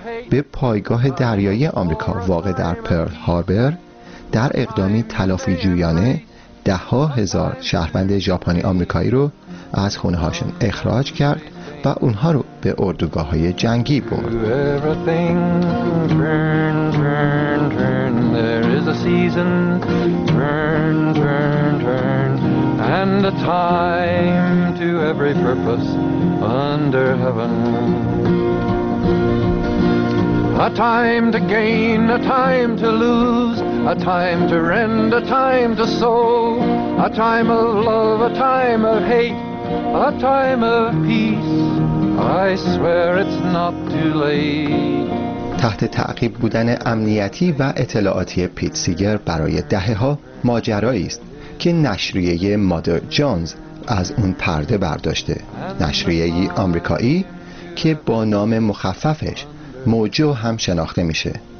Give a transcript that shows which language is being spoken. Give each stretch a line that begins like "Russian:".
Persian: به پایگاه دریایی آمریکا واقع در پرل هاربر در اقدامی تلافی جویانه ده‌ها هزار شهروند ژاپنی آمریکایی رو از خونه‌هاشون اخراج کرد و اونها رو به اردوگاه‌های جنگی برد.
English: A time to gain, a time to lose, a time to rend, a time to sow, a time of love, a time of hate, a time of peace. I swear it's not too late.
Persian: تحت تعقیب بودن امنیتی و اطلاعاتی پیت سیگر برای دهه‌ها ماجرایی است که نشریه مادر جونز از اون پرده برداشته. نشریه آمریکایی که با نام مخففش موجو هم شناخته میشه.